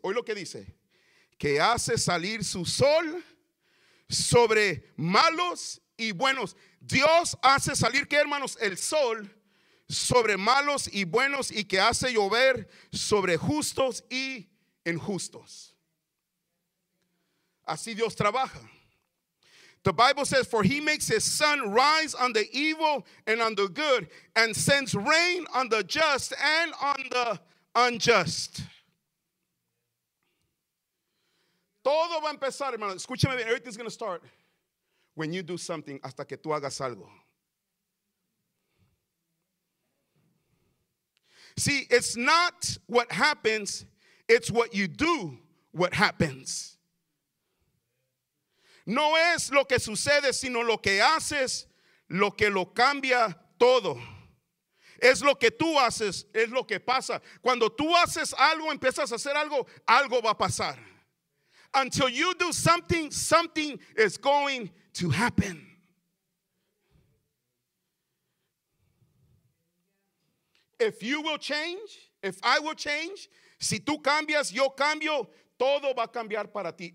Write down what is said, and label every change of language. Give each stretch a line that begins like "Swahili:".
Spanish: Oye lo que dice, que hace salir su sol sobre malos y buenos. Dios hace salir, ¿qué, hermanos? El sol sobre malos y buenos, y que hace llover sobre justos y injustos. Así Dios trabaja.
English: The Bible says, for he makes his sun rise on the evil and on the good, and sends rain on the just and on the unjust.
Spanish: Todo va a empezar, hermano. Escúchame bien.
English: Everything's going to start when you do something,
Spanish: hasta que tú hagas algo.
English: See, it's not what happens, it's what you do what happens.
Spanish: No es lo que sucede, sino lo que haces, lo que lo cambia todo. Es lo que tú haces, es lo que pasa. Cuando tú haces algo, empiezas a hacer algo, algo va a pasar.
English: Until you do something, something is going to happen. If you will change,
Spanish: if I will change, si tú cambias, yo cambio, todo va a cambiar para ti.